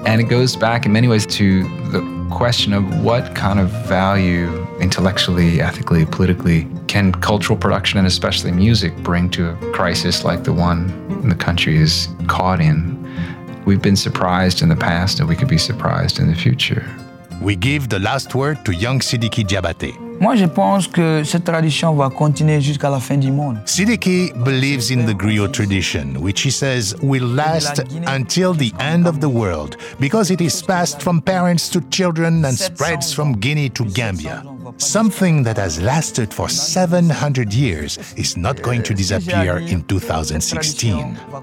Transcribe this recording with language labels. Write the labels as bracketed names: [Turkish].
[English] And it goes back in many ways to the question of what kind of value intellectually, ethically, politically, can cultural production and especially music bring to a crisis like the one the country is caught in? We've been surprised in the past and we could be surprised in the future. We give the last word to young Sidiki Diabaté. [French] Moi, je pense que cette tradition va continuer jusqu'à la fin du monde. [English] Sidiki believes in the griot tradition, which he says will last until the end of the world, because it is passed from parents to children and spreads from Guinea to Gambia. Something that has lasted for 700 years is not going to disappear in 2016.